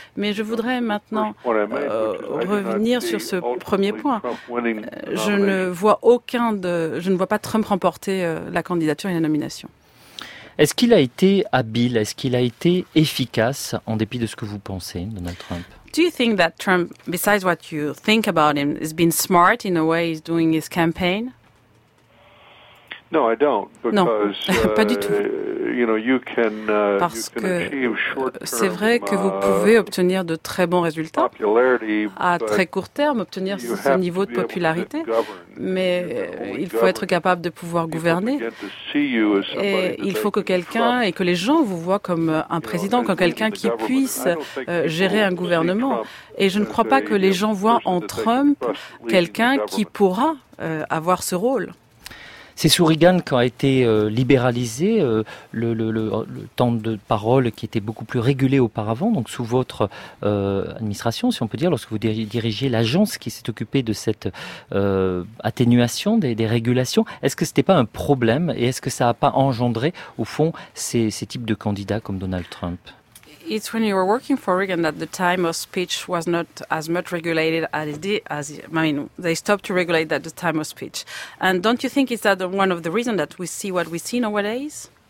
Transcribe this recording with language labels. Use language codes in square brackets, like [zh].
[fr] Mais je voudrais maintenant revenir sur ce premier point. Je ne vois pas Trump remporter la candidature et la nomination. Est-ce qu'il a été habile, est-ce qu'il a été efficace, en dépit de ce que vous pensez, Donald Trump? [en] Do you think that Trump, besides what you think about him, has been smart in the way he's doing his campaign? No, I don't. Because, [fr] non, pas du tout. [en] You know, you can, [fr] parce [en] you can [fr] que c'est vrai que vous pouvez obtenir de très bons résultats à très court terme, obtenir ce niveau de popularité, mais il faut être capable de pouvoir gouverner. Et il faut que quelqu'un et que les gens vous voient comme un président, comme quelqu'un qui puisse gérer un gouvernement. Et je ne crois pas que les gens voient en Trump quelqu'un qui pourra avoir ce rôle. C'est sous Reagan qu'a été libéralisé le temps de parole qui était beaucoup plus régulé auparavant, donc sous votre administration, si on peut dire, lorsque vous dirigez l'agence qui s'est occupée de cette atténuation des régulations. Est-ce que ce n'était pas un problème et est-ce que ça n'a pas engendré, au fond, ces types de candidats comme Donald Trump? [en] It's when you were working for Reagan that the time of speech was not as much regulated as it did. As I mean, they stopped to regulate that the time of speech. And don't you think is that one of the reasons that we see what we see nowadays?